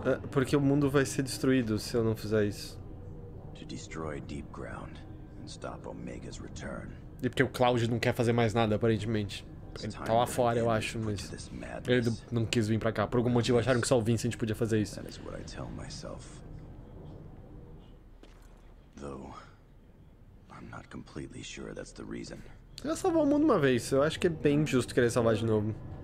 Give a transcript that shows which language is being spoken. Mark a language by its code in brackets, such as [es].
[pt] Porque o mundo vai ser destruído se eu não fizer isso. [en] Deep ground and stop Omega's return. [pt] E porque o Cloud não quer fazer mais nada, aparentemente. Ele tá lá fora, eu acho, mas ele não quis vir pra cá. Por algum motivo acharam que só o Vincent podia fazer isso. [en] That is what I tell myself. Though I'm not completely sure that's the reason. [pt] Ele salvou o mundo uma vez, eu acho que é bem justo querer salvar de novo.